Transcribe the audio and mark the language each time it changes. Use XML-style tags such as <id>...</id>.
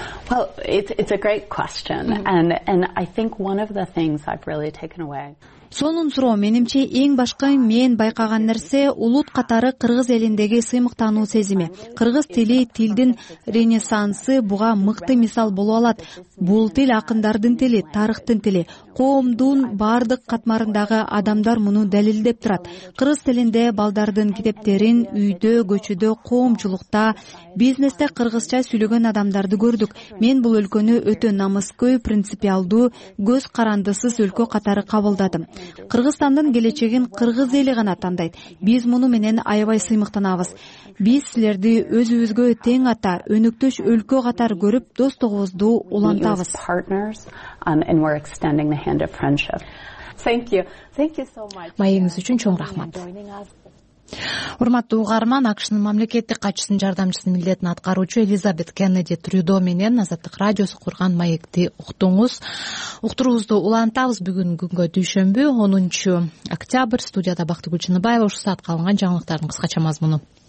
<en>Well, it's a great question and I think one of the things I've really taken away.</en> <ky>Сонун суроо менимче эң башка мен байкаган нерсе улут катары кыргыз элиндеги сыймыктануу сезими. Кыргыз тили тилдин ренессансы буга мыкты мисал боло алат. Бул тил акындардын тили, тарыхтын тили. Коомдун бардык катмарындагы адамдар муну далилдеп турат. Кыргыз тилинде балдардын китептерин үйдө, көчөдө, коомчулукта, бизнесте кыргызча сүйлөгөн адамдарды көрдүк. Мен бул өлкөнү өтө намыскөй, принципиалдуу, көз карандысыз өлкө катары кабылдадым. Кыргызстандын келечегин кыргыз эли гана тандайт. Биз муну менен аябай сыймыктанабыз. Биз силерди өзүбүзгө тең ата, өнөктөш өлкө катар көрүп, достугубузду улантабыз.</ky> <en>And we're extending the hand of friendship. Thank you. Thank you so much.</en> <ky>Майыңыз үчүн чоң рахмат. Урматтуу угарман, АКШнын мамлекеттик катчысынын жардамчысынын милдетин аткаруучу Элизабет Кеннеди Трюдо менен Азаттык радиосу курган маекти уктуңуз. Уктуруубузду улантабыз бүгүн күнгө дүйшөмбү, 10-октябрь. Студияда Бактыгүл Чыныбаева ушул саатка алынган жаңылыктардын кыскача мазмуну.</ky>